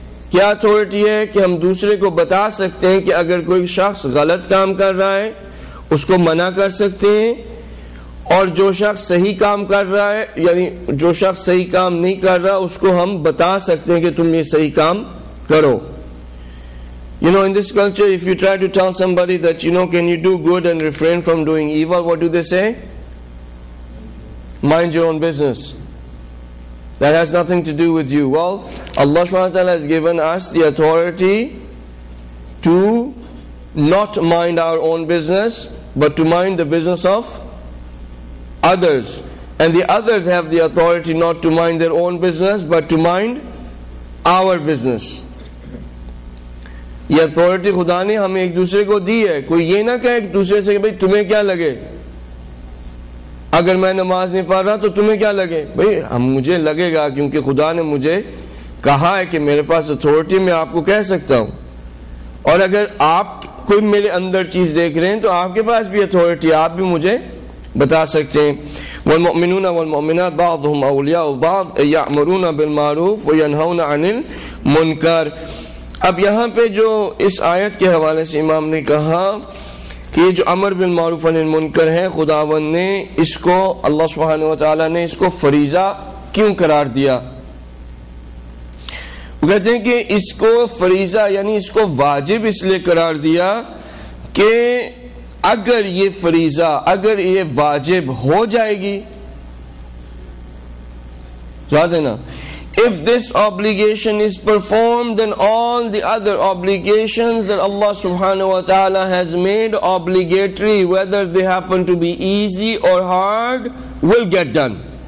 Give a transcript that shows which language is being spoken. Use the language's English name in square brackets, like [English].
[Hindi] क्या अथॉरिटी है कि हम दूसरे को बता सकते हैं कि अगर कोई शख्स गलत काम कर रहा है उसको मना कर सकते हैं, और जो शख्स सही काम कर रहा है यानी जो शख्स सही काम नहीं कर रहा उसको हम बता सकते हैं कि तुम ये सही काम करो. [English] You know, in this culture, if you try to tell somebody that, you know, can you do good and refrain from doing evil, what do they say? Mind your own business. That has nothing to do with you. Well, Allah subhanahu wa ta'ala has given us the authority to not mind our own business, but to mind the business of others. And the others have the authority not to mind their own business, but to mind our business. [Hindi] ये authority खुदा ने हमें एक दूसरे को दी है. कोई ये ना कहे एक दूसरे से, भाई तुम्हें क्या लगे अगर मैं नमाज नहीं पढ़ रहा तो तुम्हें क्या लगे. भाई हम मुझे लगेगा क्योंकि खुदा ने मुझे कहा है कि मेरे पास अथॉरिटी, मैं आपको कह सकता हूं. और अगर आप कोई मेरे अंदर चीज देख रहे हैं तो आपके पास भी अथॉरिटी, आप भी मुझे बता सकते हैं. [Arabic] والمؤمنون والمؤمنات بعضهم اولياء بعض يأمرون بالمعروف وينهون عن المنكر. [Hindi] अब यहां पे जो इस आयत के हवाले से इमाम ने कहा कि जो अमर बिल मारूफ अनिल मुनकर है, खुदावन ने इसको, अल्लाह सुभानहू व तआला ने इसको फरीजा क्यों करार दिया. वो कहते हैं कि इसको फरीजा यानी इसको वाजिब इसलिए करार दिया कि अगर ये फरीजा, अगर ये वाजिब हो जाएगी, याद है ना, [English] if this obligation is performed, then all the other obligations that Allah subhanahu wa ta'ala has made obligatory, whether they happen to be easy or hard, will get done.